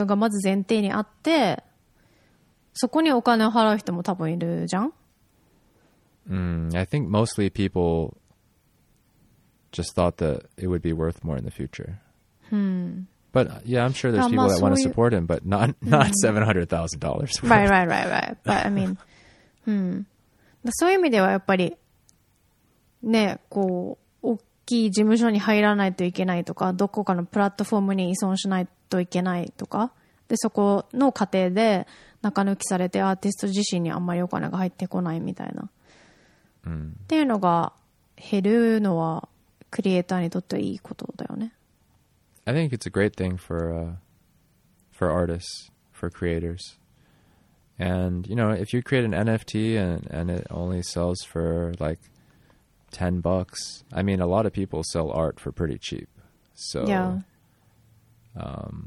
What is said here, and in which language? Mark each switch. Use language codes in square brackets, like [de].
[ja] まあだからそういう意味ではさっき言ったみたいなそのサポートしたいっていうのがまず前提にあって。そこにお金を払う人も多分いるじゃん。 [en] I think mostly people just thought that it would be worth more in the future. But yeah, I'm sure there's people that want to support him, but not $700,000 worth. Right. But I mean, [ja] そういう意味ではやっぱりね、こう大きい事務所に入らないといけないとか、どこかのプラットフォームに依存しないといけないとか。でそこの過程で中抜きされてアーティスト自身にあんまりお金が入ってこないみたいな、っていうのが減るのはクリエイターにとってはいいことだよね。 [en] I think it's a great thing for artists, for creators. And you know, if you create an NFT and it only sells for like $10, I mean a lot of people sell art for pretty cheap. So yeah.